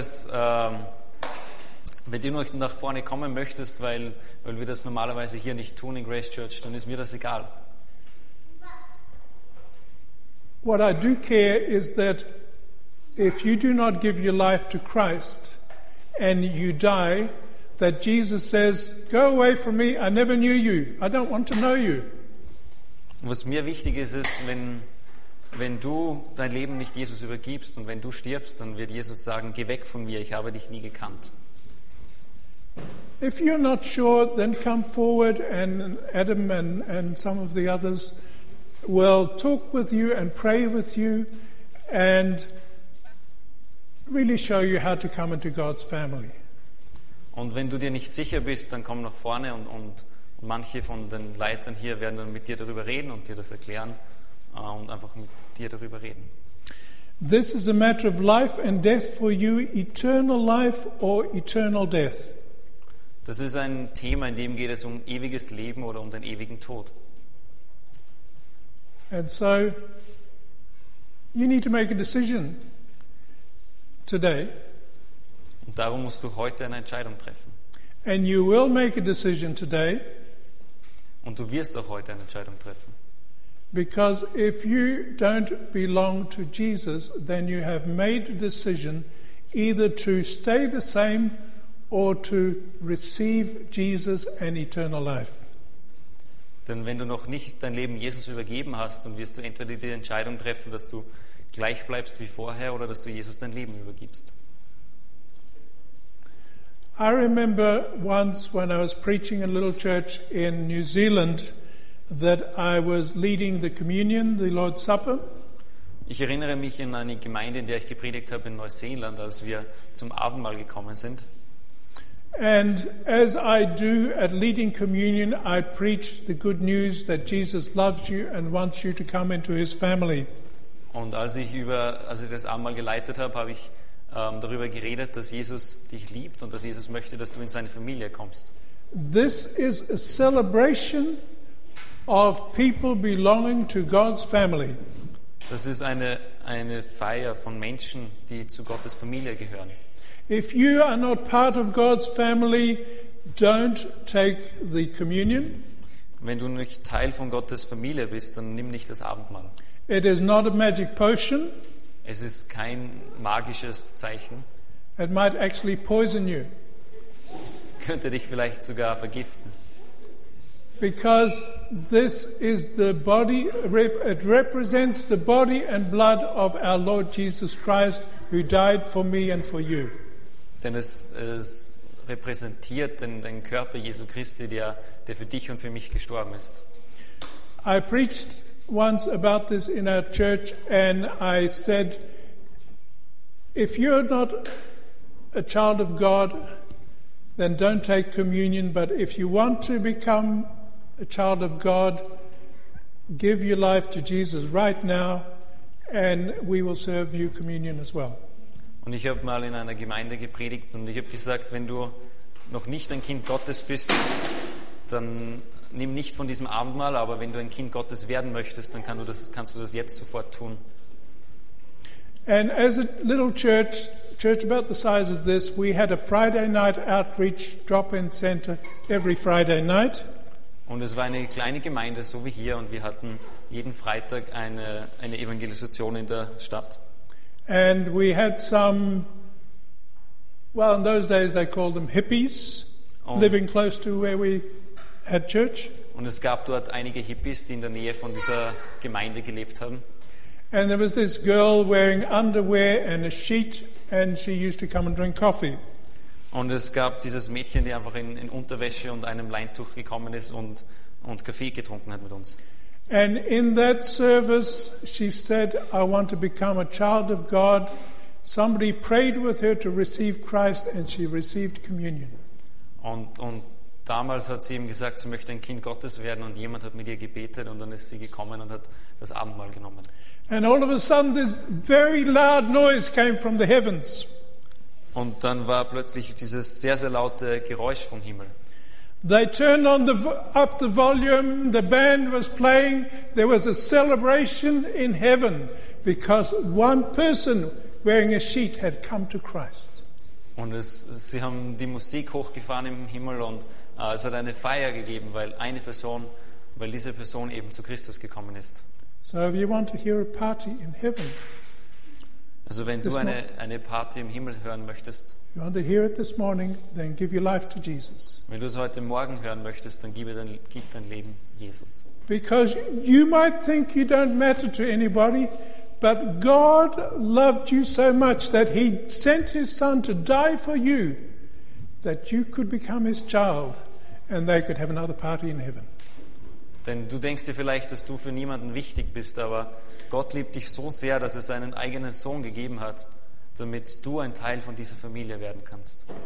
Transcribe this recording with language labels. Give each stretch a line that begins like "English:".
German: Wenn du nicht nach vorne kommen möchtest, weil wir das normalerweise hier nicht tun in Grace Church, dann ist mir das egal.
English: What I do care is that if you do not give your life to Christ and you die, that Jesus says, go away from me, I never knew you, I don't want to know you.
German: Was mir wichtig ist, ist, wenn du dein Leben nicht Jesus übergibst und wenn du stirbst, dann wird Jesus sagen, geh weg von mir, ich habe dich nie gekannt.
English: If you're not sure, then come forward and Adam and some of the others will talk with you and pray with you and really show you how to come into God's family.
German: Und wenn du dir nicht sicher bist, dann komm nach vorne und manche von den Leitern hier werden dann mit dir darüber reden und dir das erklären und einfach mit dir darüber reden.
English: This is a matter of life and death for you, eternal life or eternal death.
German: Das ist ein Thema, in dem geht es um ewiges Leben oder um den ewigen Tod.
English: And so you need to make a decision today.
German: Und darum musst du heute eine Entscheidung treffen.
English: And you will make a decision today.
German: Und du wirst auch heute eine Entscheidung treffen.
English: Because if you don't belong to Jesus, then you have made a decision either to stay the same or to receive Jesus and eternal life.
German: Denn wenn du noch nicht dein Leben Jesus übergeben hast, dann wirst du entweder die Entscheidung treffen, dass du gleich bleibst wie vorher oder dass du Jesus dein Leben übergibst.
English: I remember once when I was preaching in a little church in New Zealand that I was leading the communion, the Lord's Supper.
German: Ich erinnere mich an eine Gemeinde, in der ich gepredigt habe in Neuseeland, als wir zum Abendmahl gekommen sind.
English: And as I do at leading communion, I preach the good news that Jesus loves you and wants you to come into his family.
German: Und als ich das Abendmahl geleitet habe, habe ich darüber geredet, dass Jesus dich liebt und dass Jesus möchte, dass du in seine Familie kommst.
English: This is a celebration of people belonging to God's family.
German: Das ist eine Feier von Menschen, die zu Gottes Familie gehören.
English: If you are not part of God's family, don't take the communion.
German: Wenn du nicht Teil von Gottes Familie bist, dann nimm nicht das Abendmahl.
English: It is not a magic potion.
German: Es ist kein magisches Zeichen.
English: It might actually poison you.
German: Es könnte dich vielleicht sogar vergiften.
English: Because this is the body, it represents the body and blood of our Lord Jesus Christ, who died for me and for you.
German: Denn es repräsentiert den Körper Jesu Christi, der für dich und für mich gestorben ist.
English: I preached once about this in our church and I said, if you're not a child of God, then don't take communion, but if you want to become a child of God, give your life to Jesus right now and we will serve you communion as well.
German: Und ich habe mal in einer Gemeinde gepredigt und ich habe gesagt, wenn du noch nicht ein Kind Gottes bist, dann nimm nicht von diesem Abendmahl, aber wenn du ein Kind Gottes werden möchtest, dann kannst du das jetzt sofort tun.
English: And as a little church about the size of this, we had a Friday night outreach drop-in center every Friday night.
German: Und es war eine kleine Gemeinde, so wie hier, und wir hatten jeden Freitag eine Evangelisation in der Stadt.
English: And we had some, well, in those days they called them hippies, living close to where we had church.
German: Und es gab dort einige Hippies, die in der Nähe von dieser Gemeinde gelebt haben.
English: And there was this girl wearing underwear and a sheet, and she used to come and drink coffee.
German: Und es gab dieses Mädchen, die einfach in Unterwäsche und einem Leintuch gekommen ist und und Kaffee getrunken hat mit uns.
English: And in that service she said, I want to become a child of God. Somebody prayed with her to receive Christ and she received communion.
German: Und damals hat sie ihm gesagt, sie möchte ein Kind Gottes werden und jemand hat mit ihr gebetet und dann ist sie gekommen und hat das Abendmahl genommen.
English: And all of a sudden this very loud noise came from the heavens.
German: Und dann war plötzlich dieses sehr, sehr laute Geräusch vom Himmel.
English: They turned on up the volume, the band was playing, there was a celebration in heaven because one person wearing a sheet had come to Christ.
German: Und sie haben die Musik hochgefahren im Himmel und es hat eine Feier gegeben, weil diese Person eben zu Christus gekommen ist.
English: So if you want to hear a party in heaven,
German: also wenn du eine Party im Himmel hören möchtest,
English: you want to hear it this morning, then give your life to Jesus.
German: Wenn du es heute Morgen hören möchtest, dann gib dein Leben Jesus.
English: Because you might think you don't matter to anybody, but God loved you so much that he sent his son to die for you, that you could become his child and they could have another party in heaven.
German: Denn du denkst dir vielleicht, dass du für niemanden wichtig bist, aber Gott liebt dich so sehr, dass er seinen eigenen Sohn gegeben hat, damit du ein Teil von dieser Familie werden kannst.